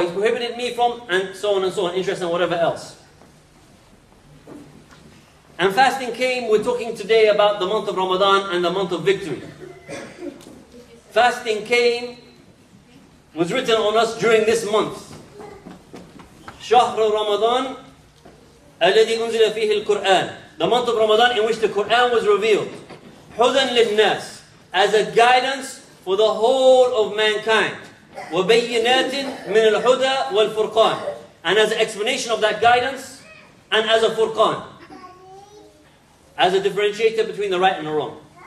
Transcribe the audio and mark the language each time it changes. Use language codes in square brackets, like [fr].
[en] He's prohibited me from and so on and so on, interest and whatever else. And fasting came, we're talking today about the month of Ramadan and the month of victory. Fasting came, was written on us during this month. [ar] شهر رمضان الذي أنزل فيه القرآن. [en] The month of Ramadan in which the Quran was revealed. [ar] حُذًا للناس, [en] as a guidance for the whole of mankind. [ar] وَبَيِّنَاتٍ مِنَ الْحُدَى وَالْفُرْقَانِ, [en] and as an explanation of that guidance, and as a furqan, as a differentiator between the right and the wrong.